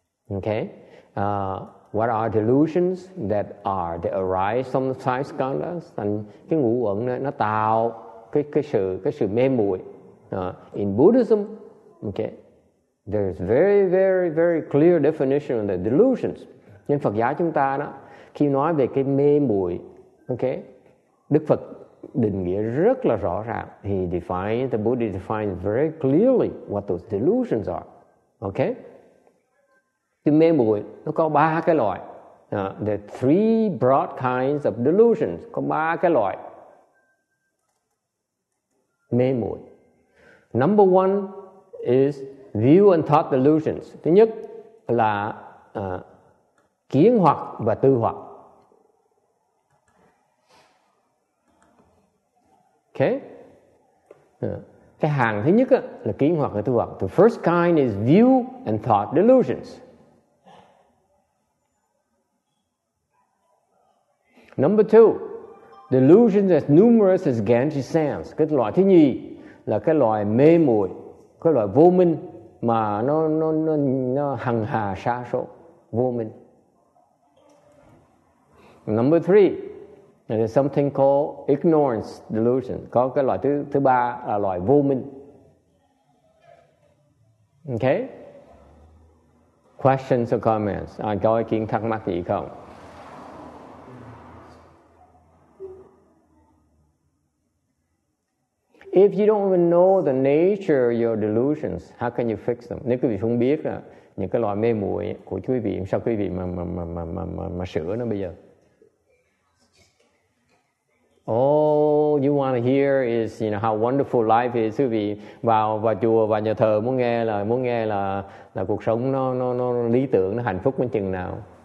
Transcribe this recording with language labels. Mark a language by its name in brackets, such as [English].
[English] Okay, what are delusions that are that arise from the five skandhas? [Vietnamese] Thành cái ngũ uẩn này nó tạo cái sự mê muội. [English] In Buddhism, okay, there's very very very clear definition of the delusions. [Vietnamese] Nhưng Phật giáo chúng ta đó, khi nói về cái mê muội, okay, Đức Phật định nghĩa rất là rõ ràng. [English] The Buddha defines very clearly what those delusions are. Okay? [Vietnamese] Cái mê muội nó có ba cái loại. [English] There are three broad kinds of delusions. [Vietnamese] Có ba cái loại mê muội. [English] Number one is view and thought delusions. [Vietnamese] Thứ nhất là kiến hoặc và tư hoặc. Okay. Cái hàng thứ nhất là kiến hoặc và tư hoặc. [English] The first kind is view and thought delusions. Number two, delusions as numerous as Ganges sands. [Vietnamese] Cái loại thứ nhì là cái loại mê muội, cái loại vô minh mà nó hằng hà sa số, vô minh. [English] Number three, there's something called ignorance delusion. [Vietnamese] Có cái loại thứ ba là loại vô minh. [English] Okay? Questions or comments? [Vietnamese] Ai có ý kiến thắc mắc gì không? [English] If you don't even know the nature of your delusions, how can you fix them? [Vietnamese] Nếu quý vị không biết những cái loại mê muội của quý vị, sao quý vị mà sửa nó bây giờ? [English] All you want to hear is, you know, how wonderful life is. [Vietnamese] Quý vị vào chùa, vào nhà thờ muốn nghe là cuộc sống nó lý tưởng, nó hạnh phúc đến chừng nào.